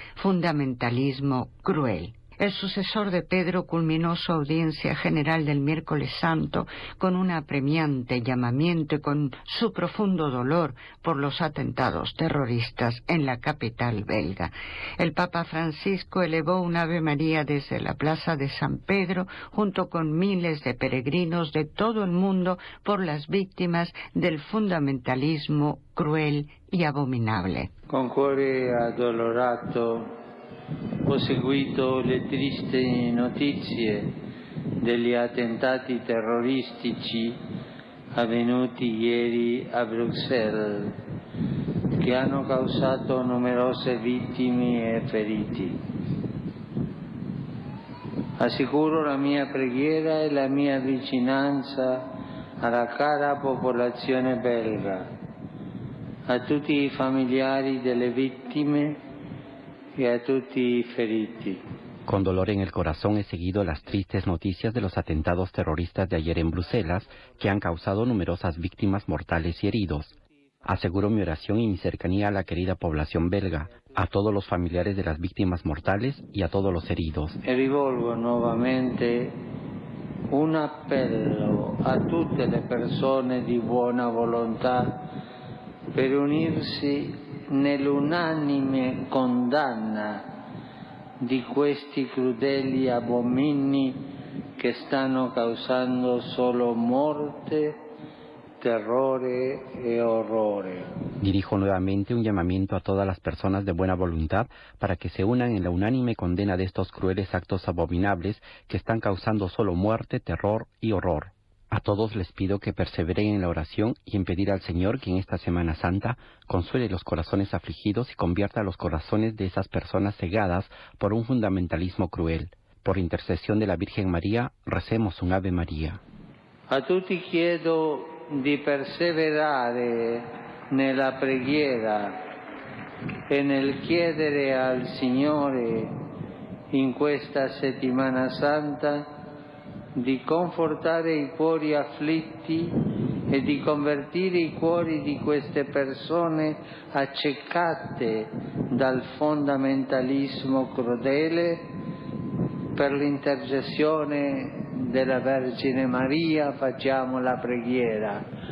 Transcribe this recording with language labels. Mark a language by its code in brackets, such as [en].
[it] Fundamentalismo cruel. El sucesor de Pedro culminó su audiencia general del miércoles santo con un apremiante llamamiento y con su profundo dolor por los atentados terroristas en la capital belga. El Papa Francisco elevó un Ave María desde la Plaza de San Pedro junto con miles de peregrinos de todo el mundo por las víctimas del fundamentalismo cruel y abominable. Con cuore addolorato ho seguito le tristi notizie degli attentati terroristici avvenuti ieri a Bruxelles, che hanno causato numerose vittime e feriti. Assicuro la mia preghiera e la mia vicinanza alla cara popolazione belga, a tutti i familiari delle vittime y a tutti i feriti. [es] Con dolor en el corazón he seguido las tristes noticias de los atentados terroristas de ayer en Bruselas, que han causado numerosas víctimas mortales y heridos. Aseguro mi oración y mi cercanía a la querida población belga, a todos los familiares de las víctimas mortales y a todos los heridos. [it] Me rivolgo nuevamente un appello a tutte le persone di buona volontà per unirsi nell'unanime condanna di questi crudeli abomini che stanno causando solo morte terrore e orrore. [es] Dirijo nuevamente un llamamiento a todas las personas de buena voluntad para que se unan en la unánime condena de estos crueles actos abominables que están causando solo muerte, terror y horror. A todos les pido que perseveren en la oración y en pedir al Señor que en esta Semana Santa consuele los corazones afligidos y convierta los corazones de esas personas cegadas por un fundamentalismo cruel. Por intercesión de la Virgen María, recemos un Ave María. [it] A tutti chiedo di perseverare nella preghiera e nel chiedere al Signore in questa Settimana Santa di confortare i cuori afflitti e di convertire i cuori di queste persone accecate dal fondamentalismo crudele per l'intercessione della Vergine Maria facciamo la preghiera.